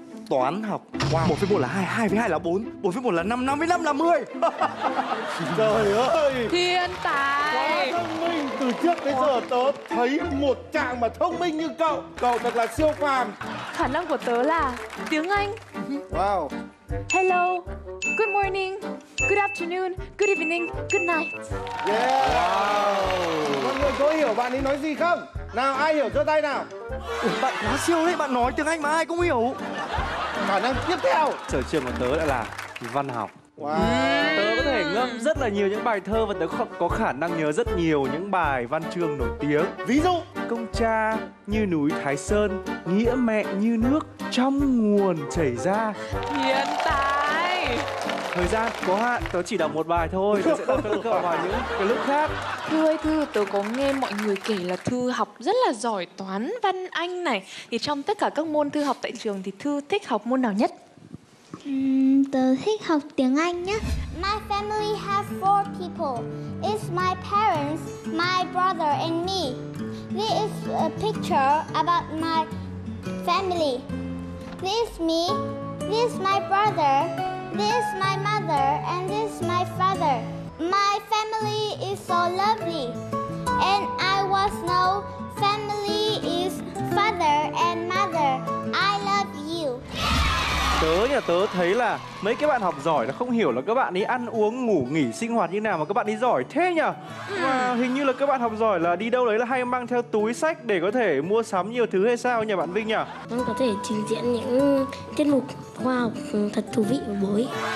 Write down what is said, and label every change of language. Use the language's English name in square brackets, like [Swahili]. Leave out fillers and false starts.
[Vietnamese] Toán học. Wow. 1 + 1 là 2, 2 + 2 là 4, 4 + 1 là 5, 5 + 5 là 10. Trời ơi! Thiên tài! Quá thông minh! Từ trước đến giờ tớ thấy một chàng mà thông minh như cậu. Cậu thật là siêu phàm. Khả năng của tớ là tiếng Anh. Wow! [English] Hello, good morning, good afternoon, good evening, good night. Yeah! Wow. [Vietnamese] Mọi người có hiểu bạn ấy nói gì không? Nào, ai hiểu giơ tay nào? Bạn quá siêu đấy, bạn nói tiếng Anh mà ai cũng hiểu. Khả năng tiếp theo. Sở trường của tớ lại là văn học. Wow. Tớ có thể ngâm rất là nhiều những bài thơ và tớ có khả năng nhớ rất nhiều những bài văn chương nổi tiếng. Ví dụ? Công cha như núi Thái Sơn, nghĩa mẹ như nước trong nguồn chảy ra. Thiên tài. Thời gian có hạn, tớ chỉ đọc một bài thôi. Tớ sẽ đọc cho cậu vào những cái lúc khác. Thư ơi Thư, tớ có nghe mọi người kể là Thư học rất là giỏi toán văn Anh này. Thì trong tất cả các môn Thư học tại trường thì Thư thích học môn nào nhất? Tớ thích học tiếng Anh nhá. [English] My family has 4 people. It's my parents, my brother and me. This is a picture about my family. This is me, this is my brother, this is my mother and this is my father. My family is so lovely. And I was know family is father and mother. I love you. [Vietnamese] Tớ nhà tớ thấy là mấy cái bạn học giỏi là không hiểu là các bạn ấy ăn uống ngủ nghỉ sinh hoạt như nào mà các bạn ấy giỏi thế nhỉ? Mà hình như là các bạn học giỏi là đi đâu đấy là hay mang theo túi sách để có thể mua sắm nhiều thứ hay sao nhỉ bạn Vinh nhỉ? Con có thể trình diễn những tiết mục khoa học thật thú vị và bổ ích.